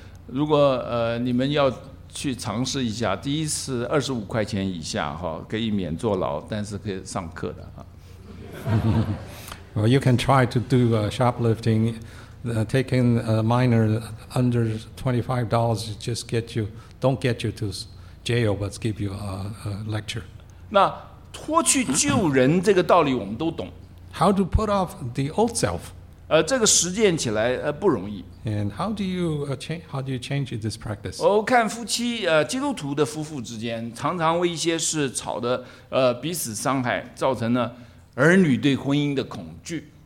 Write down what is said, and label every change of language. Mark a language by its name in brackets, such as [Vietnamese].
[Chinese] 如果你们要去尝试一下，第一次25块钱以下哈，可以免坐牢，但是可以上课的啊。 [English] Well, you can try to do shoplifting, taking a minor under $25 just don't get you to jail, but give you a lecture. [Chinese] 那脱去旧人这个道理我们都懂。 [English] How to put off the old self? [Chinese] 这个实践起来不容易。 [English] And how do you change this practice? [Chinese] 我看夫妻基督徒的夫妇之间常常为一些事吵得彼此伤害，造成了儿女对婚姻的恐惧。